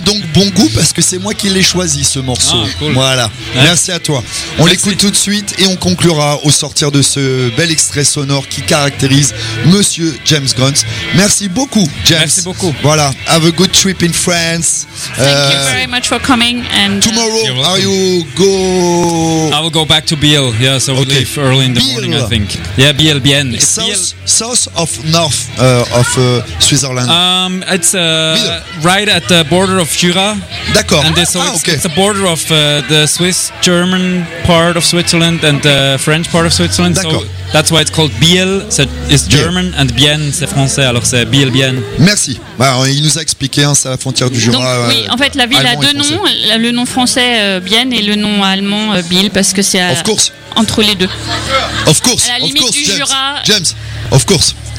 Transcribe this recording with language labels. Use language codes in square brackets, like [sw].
[fr] donc bon goût parce que c'est moi qui l'ai choisi ce morceau. Ah, cool. Voilà. Ouais. Merci à toi. On l'écoute tout de suite et on conclura au sortir de ce bel extrait sonore qui caractérise Monsieur James Grunt. Merci beaucoup, James. Merci beaucoup. Voilà. [en] Have a good trip in France. Thank you very much for coming. And tomorrow, are you go? I will go back to Biel. Yeah, so we'll leave early in the morning, I think. Yeah, Biel, bien. South of north of Switzerland. It's right at the border of Jura. [fr] D'accord. [en] And it's the border of the Swiss German part of Switzerland and the French part of Switzerland. [fr] D'accord. [en] So that's why it's called Biel. So it's German and [fr] bien c'est français, alors c'est Biel bien. Merci. Il nous a expliqué, c'est la frontière du Jura. Donc, oui, en fait, la ville a deux noms, le nom français bien et le nom allemand Biel, parce que c'est entre les deux. [en] Of course. [fr] À la limite [en] of course, [fr] du James. Jura. [en] James, of course.